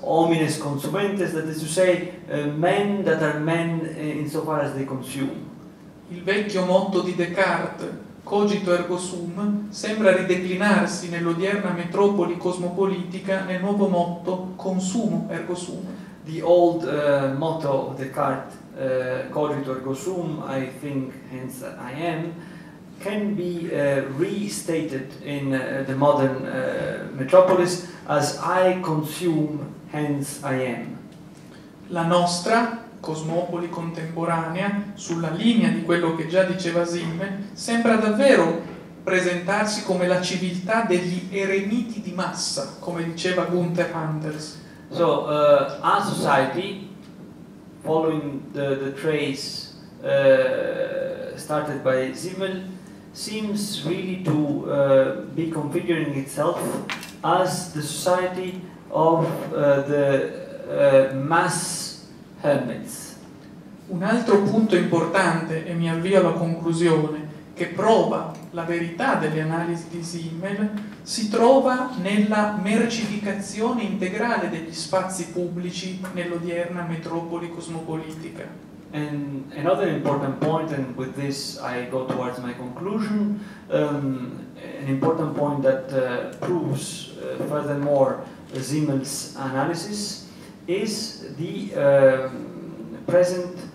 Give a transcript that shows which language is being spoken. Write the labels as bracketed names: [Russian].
[English] Homines consumentes, that is to say, men that are men insofar as they consume. [Italian] Il vecchio motto di Descartes, cogito ergo sum, sembra rideclinarsi nell'odierna metropoli cosmopolitica nel nuovo motto consumo ergo sum. [English] The old motto of Descartes, cogito ergo sum, I think, hence I am, can be restated in the modern metropolis as I consume, hence I am. [Italian] La nostra cosmopoli contemporanea, sulla linea di quello che già diceva Zimmer, sembra davvero presentarsi come la civiltà degli eremiti di massa, come diceva Gunther Anders. [English] So, our society, following the trace started by Zimmer, seems really to be configuring itself as the society of the mass hermits. [Italian] Un altro punto importante, e mi avvio alla conclusione, che prova la verità delle analisi di Zimmer, si trova nella mercificazione integrale degli spazi pubblici nell'odierna metropoli cosmopolitica. [English] And another important point, and with this I go towards my conclusion, an important point that proves furthermore Zimmer's analysis, is the present